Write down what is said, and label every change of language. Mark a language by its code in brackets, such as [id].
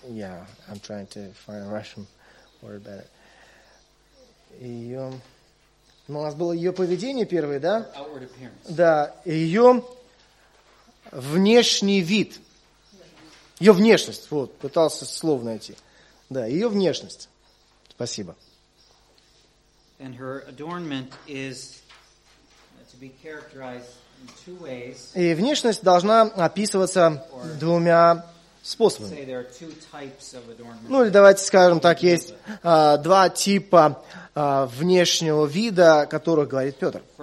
[en] Yeah, I'm trying to find a Russian word better. [ru] Ее, ну, у нас было ее поведение первое, да? [en] Outward appearance. [ru] Да, ее внешний вид. Ее внешность. Вот, пытался слово найти. Да, ее внешность. Спасибо. [en] And her adornment is to be characterized in two ways. [ru] И внешность должна описываться двумя способами. Ну или давайте скажем так, есть два типа внешнего вида, о которых говорит Петр.